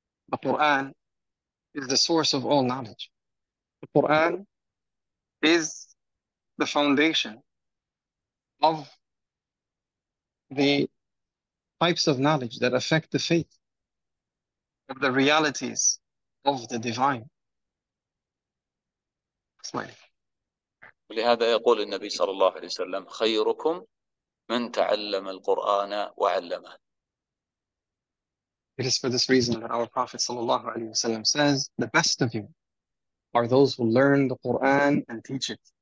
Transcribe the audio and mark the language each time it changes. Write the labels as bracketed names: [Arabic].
[English] The Quran is the source of all knowledge. The Quran is the foundation of the types of knowledge that affect the faith, of the realities of the divine. [Arabic] ولهذا يقول النبي صلى الله عليه وسلم خيركم من تعلم القرآن وعلمه. [English] It is for this reason that our Prophet [Arabic] sallallahu alaihi wasallam [English] says, the best of you are those who learn the Quran and teach it.